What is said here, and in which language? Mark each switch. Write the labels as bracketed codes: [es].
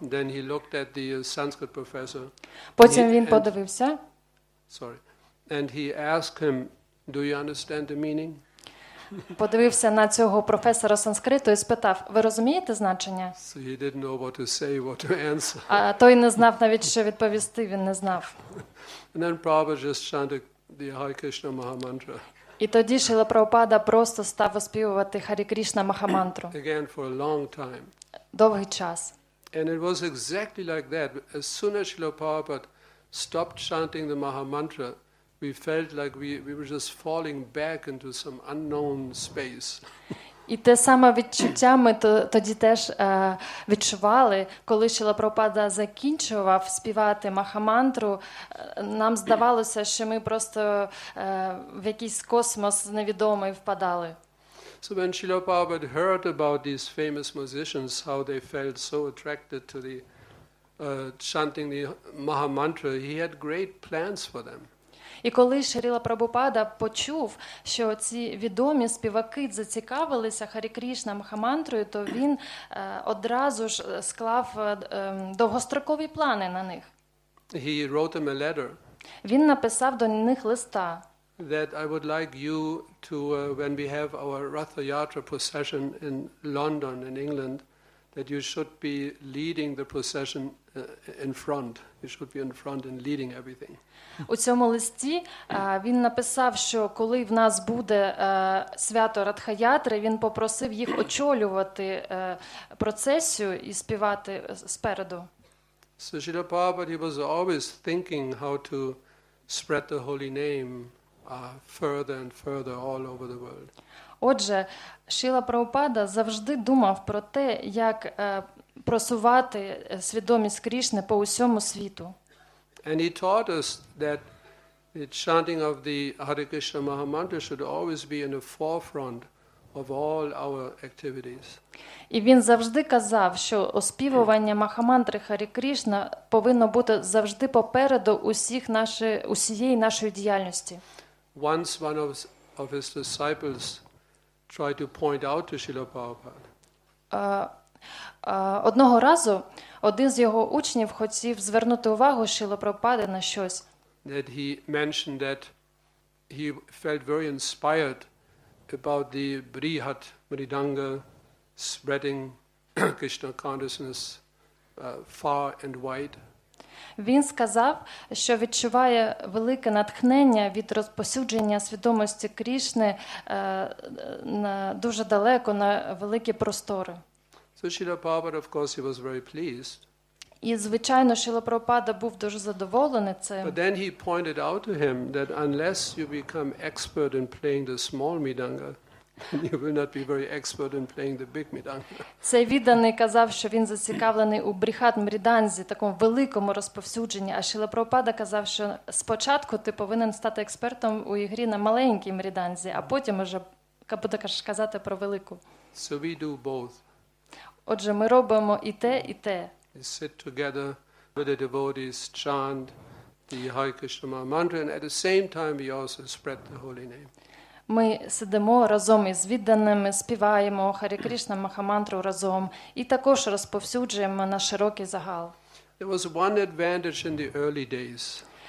[en] Then he looked at the Sanskrit professor. [uk] Потім він подивився. [en] Sorry. And he asked him, "Do you understand the meaning?" [uk] Подивився на цього професора санскриту і спитав: "Ви розумієте значення?" [en] So he didn't know what to say, what to answer. [uk] А той не знав навіть, що відповісти, він не знав. [en] And then Prabhupada just chanted the Hare Krishna Maha Mantra. [uk] І тоді Шріла Прабхупада просто став оспівувати Харі Кришна Маха Мантру. [en] Again for a long time. [uk] Довгий час. [en] And it was exactly like that. As soon as Srila Prabhupada stopped chanting the Maha Mantra, we felt like we were just falling back into some unknown space. [uk] І те саме відчуття ми тоді теж відчували, коли Шріла Прабхупада закінчував співати Махамантру, нам здавалося, що ми просто в якийсь космос невідомий впадали. [en] So when Srila Prabhupada heard about these famous musicians, how they felt so attracted to the chanting the Mahamantra, he had great plans for them. [uk] І коли Шріла Прабхупада почув, що ці відомі співаки зацікавилися Харі Кришна Махамантрою, то він одразу ж склав довгострокові плани на них. [en] He wrote them a letter. [uk] Він написав до них листа. [en] That I would like you to, when we have our Rath Yatra procession in London, in England, that you should be leading the procession in front. You should be in front and leading everything. [uk] У цьому листі він написав, що коли в нас буде свято Радха-Ятри, він попросив їх очолювати процесію і співати спереду. [en] So Srila Prabhupada, he was always thinking how to spread the holy name further and further all over the world. [uk] Отже, Шріла Прабхупада завжди думав про те, як просувати свідомість Кришни по усьому світу. [en] And he taught us that the chanting of the Hare Krishna Maha Mantra should always be in the forefront of all our activities. [uk] І він завжди казав, що оспівування Махамантри Харі Кришна повинно бути завжди попереду усіх усієї нашої діяльності. [en] Once one of his disciples tried to point out to Srila Prabhupada. [uk] Одного разу один з його учнів хотів звернути увагу Шріла Прабхупади на щось. [en] That he mentioned that he felt very inspired about the Brihat Mridanga spreading Krishna consciousness far and wide. [uk] Він сказав, що відчуває велике натхнення від розповсюдження свідомості Крішни на дуже далеко, на великі простори. [en] So Srila Prabhupada, of course, he was very pleased. [uk] І, звичайно, Шріла Прабхупада був дуже задоволений цим. [en] But then he pointed out to him that unless you become expert in playing the small midanga, you will not be very expert in playing the big midanga. [uk] Цей відданий казав, що він зацікавлений у брихат мріданзі, такому великому розповсюдженні, а Шріла Прабхупада казав, що спочатку ти повинен стати експертом у грі на маленькій мріданзі, а потім уже будеш казати про велику. [en] So we do both. [uk] Отже, ми робимо і те, і те. [en] We sit together with the devotees, chant the Hare Krishna mantra, and at the same time we also spread the holy name. [uk] Ми сидимо разом із відданими, співаємо Харе Кришна Махамантру разом і також розповсюджуємо на широкий загал. [en] There was one advantage in the early days.